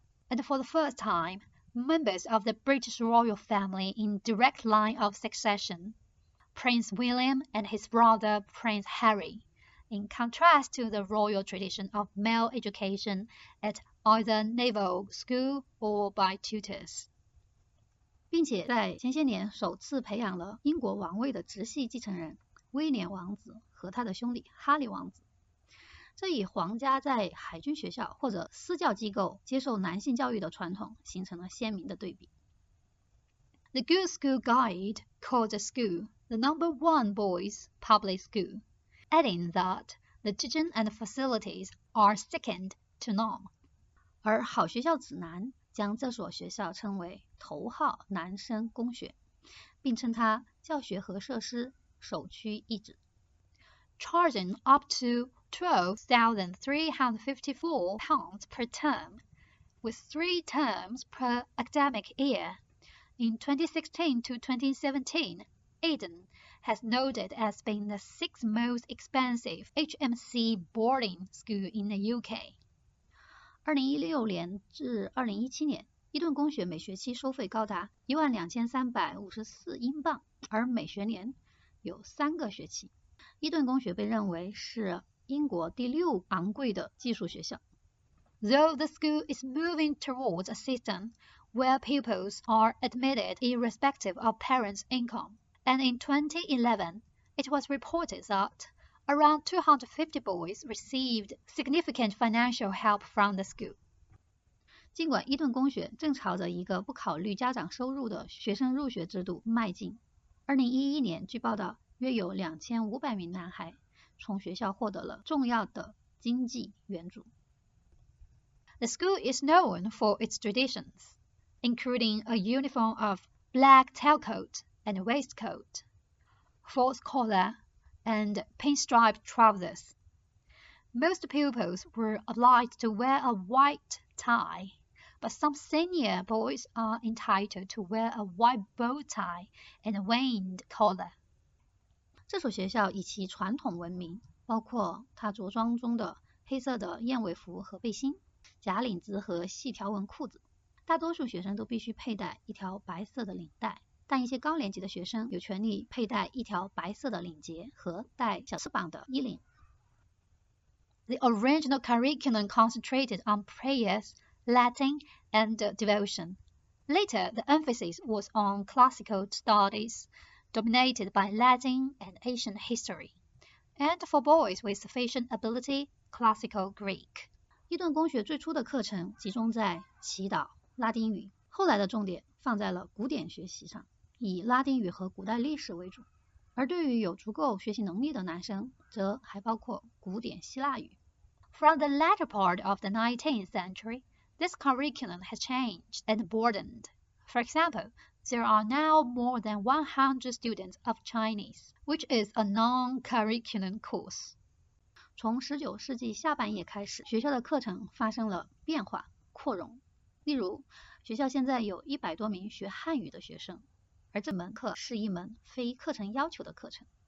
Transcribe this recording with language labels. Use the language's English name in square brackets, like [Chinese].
[English] And for the first time, members of the British royal family in direct line of succession. Prince William and his brother Prince Harry, in contrast to the royal tradition of male education at either naval school or by tutors. [Chinese] 并且在前些年首次培养了英国王位的直系继承人威廉王子和他的兄弟哈利王子。这与皇家在海军学校或者私教机构接受男性教育的传统形成了鲜明的对比。 [English] The Good School Guide called the school the number one boys' public school, adding that the teaching and facilities are second to none. [Chinese] 而好学校指南将这所学校称为头号男生公学，并称它教学和设施首屈一指。 [English] Charging up to £12,354 per term, with three terms per academic year,In 2016 to 2017, Eton has noted as being the sixth most expensive HMC boarding school in the UK. [Chinese] 2016年至2017年，伊顿公学每学期收费高达12,354英镑，而每学年有三个学期。伊顿公学被认为是英国第六昂贵的技术学校。 [English] Though the school is moving towards a system where pupils are admitted irrespective of parents' income. And in 2011, it was reported that around 250 boys received significant financial help from the school. [Chinese] 尽管伊顿公学正朝着一个不考虑家长收入的学生入学制度迈进，2011年据报道，约有2500名男孩从学校获得了重要的经济援助。 [English] The school is known for its traditions. including a uniform of black tailcoat and waistcoat, false collar, and pinstripe trousers. Most pupils were obliged to wear a white tie, But some senior boys are entitled to wear a white bow tie and a veined collar. [Chinese] 这所学校以其传统闻名，包括它着装中的黑色的燕尾服和背心、假领子和细条纹裤子。大多数学生都必须佩戴一条白色的领带，但一些高年级的学生有权利佩戴一条白色的领结和带小翅膀的衣领。 [English] The original curriculum concentrated on prayers, Latin, and devotion. Later, the emphasis was on classical studies, dominated by Latin and ancient history, and for boys with sufficient ability, classical Greek. [Chinese] 伊顿公学最初的课程集中在祈祷、拉丁语，后来的重点放在了古典学习上，以拉丁语和古代历史为主。而对于有足够学习能力的男生，则还包括古典希腊语。 [English] From the latter part of the 19th century, this curriculum has changed and broadened. For example, there are now more than 100 students of Chinese, which is a non-curriculum course. [Chinese] 从19世纪下半叶开始，学校的课程发生了变化、扩容。例如，学校现在有100多名学汉语的学生。而这门课是一门非课程要求的课程。